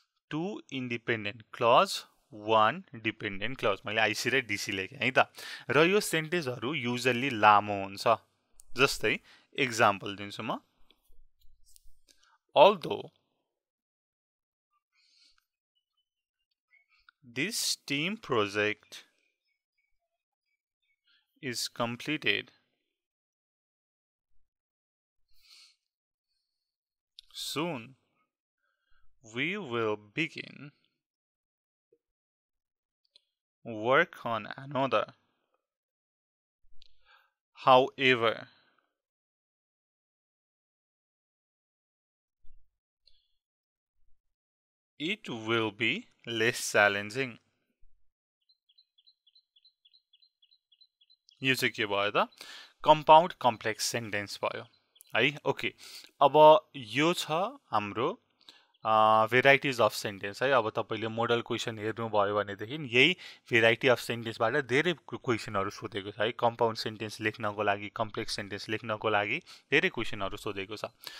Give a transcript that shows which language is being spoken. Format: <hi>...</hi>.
<ne>To independent clause one dependent clause मैले आइसी र डिसी लेखेँ है त र यो सेन्टेन्सहरू युजल्ली लामो हुन्छ जस्तै एक्जाम्पल दिन्छु म although</ne> <en>This team project is completed soon. We will begin work on another. However, it will be less challenging.</en> <ne>यो चाहिँ के भयो त कम्पाउन्ड कम्प्लेक्स सेन्टेन्स भयो है ओके अब यो छ हाम्रो भेराइटिज अफ सेन्टेन्स है अब तपाईँले मोडल क्वेसन हेर्नुभयो भनेदेखि यही भेराइटी अफ सेन्टेन्सबाट धेरै क्वेसनहरू सोधेको छ है कम्पाउन्ड सेन्टेन्स लेख्नको लागि कम्प्लेक्स सेन्टेन्स लेख्नको लागि धेरै क्वेसनहरू सोधेको छ</ne>